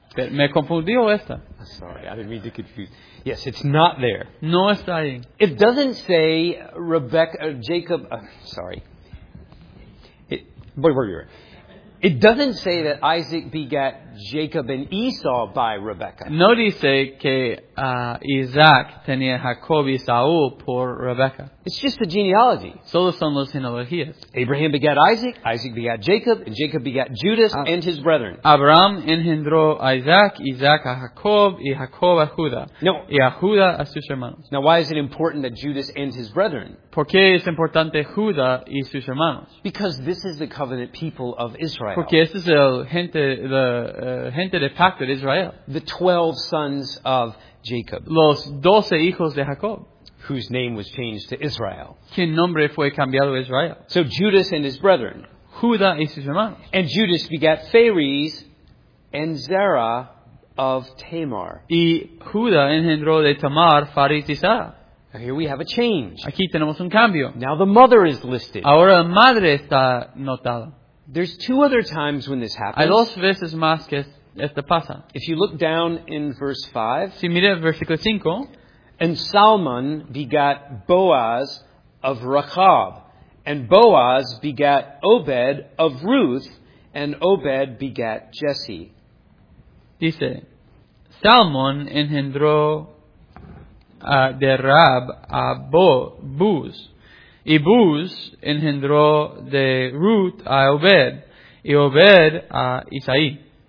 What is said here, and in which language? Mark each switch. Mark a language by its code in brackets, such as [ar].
[es] Me confundió esta. [en] Sorry, I didn't mean to confuse. Yes, it's not there. [es] No está ahí. [en] It doesn't say Jacob. Sorry. Boy, where you were. It doesn't say that Isaac begat Jacob and Esau by Rebekah. [es] No dice que Isaac tenía Jacob y Saúl por Rebekah. [en] It's just the genealogy. [es] Solo son las genealogías. [en] Abraham begat Isaac. Isaac begat Jacob. And Jacob begat Judas and his brethren. [es] Abraham engendró a Isaac. Isaac a Jacob. Y Jacob a Judá. No. Y a Judá a sus hermanos. [en] Now, why is it important that Judas and his brethren? [es] ¿Por qué es importante Judá y sus hermanos? [en] Because this is the covenant people of Israel. [es] Porque este es el gente, la gente de pacto de Israel. [en] The 12 sons of Jacob. [es] Los 12 hijos de Jacob. [en] Whose name was changed to Israel. [es] ¿Quién nombre fue cambiado a Israel? [en] So Judas and his brethren. [es] Judá y sus hermanos. [en] And Judas begat Phares en Zerah of Tamar. [es] Y Judá engendró de Tamar Faris y Zerah. [en] Now here we have a change. [es] Aquí tenemos un cambio. [en] Now the mother is listed. [es] Ahora la madre está notada. [en] There's two other times when this happens. [es] Hay dos veces más que esto pasa. [en] If you look down in verse 5, [es] si mira el versículo 5, [en] and Salmon begat Boaz of Rahab, and Boaz begat Obed of Ruth, and Obed begat Jesse. [es] Dice, Salmon engendró de Rab a Buz, y Buz engendró de Ruth a Obed, y Obed a Isaí.